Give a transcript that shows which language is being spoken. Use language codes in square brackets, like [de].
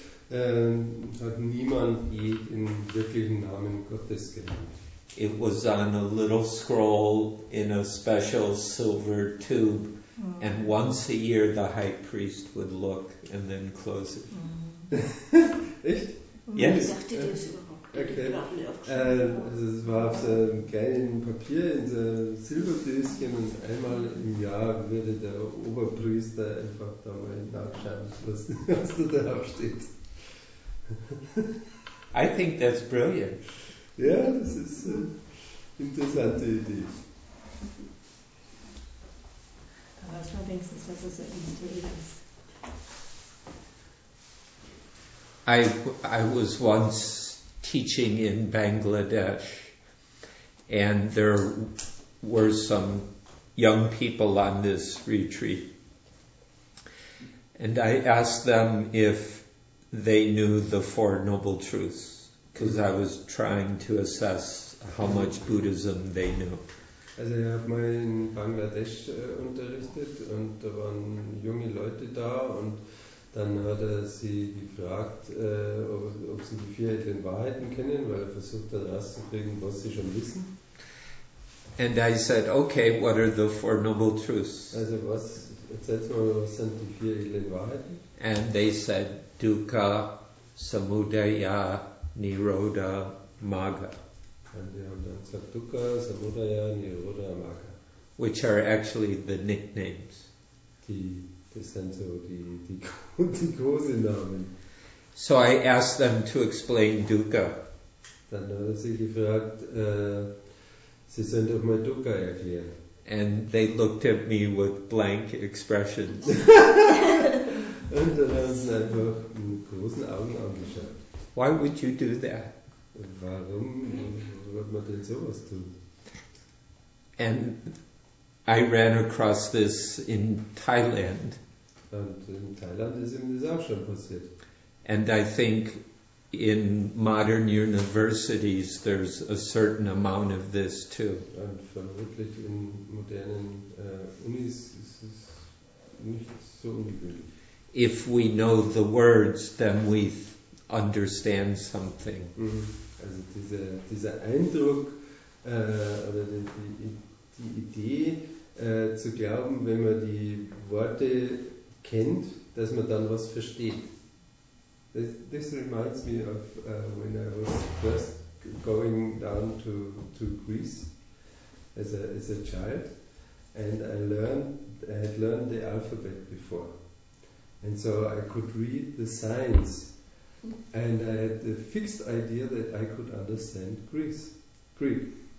[de] Hat niemand je den wirklichen Namen Gottes genannt. [en] It was on a little scroll in a special silver tube, and once a year the high priest would look and then close it. [de] Echt? [en] Yes. Okay. [de] Also es war auf so einem kleinen Papier in so einem Silberdöschen und einmal im Jahr würde der Oberpriester einfach da mal nachschauen, was da drauf steht. [en] I think that's brilliant. Yeah, this is an interesting idea. That's what makes this also so interesting. I was once teaching in Bangladesh, and there were some young people on this retreat, and I asked them if they knew the Four Noble Truths, because I was trying to assess how much Buddhism they knew. [de] Also, ich habe mal in Bangladesch unterrichtet und da waren junge Leute da und dann hat er sie gefragt, ob sie die vier edlen Wahrheiten kennen, weil er versucht hat herauszukriegen, was sie schon wissen. [en] And I said, okay, what are the Four Noble Truths? [de] Also, was, erzählst du mal, was sind die vier edlen Wahrheiten? [en] And they said, Dukkha, Samudaya, Nirodha, Magga. And they have then said Dukkha, Samudaya, Nirodha, Magga. Which are actually the nicknames. [de] Die großen Namen. [en] So I asked them to explain Dukkha. [de] Dann hat er sie gefragt, sie sollen doch mal Dukkha erklären. [en] And they looked at me with blank expressions. [de] Und dann haben sie einfach mit großen Augen angeschaut. [en] Why would you do that? [de] Warum würde man denn sowas tun? [en] And I ran across this in Thailand. [de] Und in Thailand ist ihm das auch schon passiert. [en] And I think in modern universities there's a certain amount of this too. [de] Und vermutlich in modernen Unis ist es nicht so ungewöhnlich. [en] If we know the words, then we understand something. Mm-hmm. [de] Also dieser Eindruck oder die Idee zu glauben, wenn man die Worte kennt, dass man dann was versteht. [en] This reminds me of when I was first going down to Greece as a child, and I had learned the alphabet before. And so I could read the signs, and I had the fixed idea that I could understand Greek.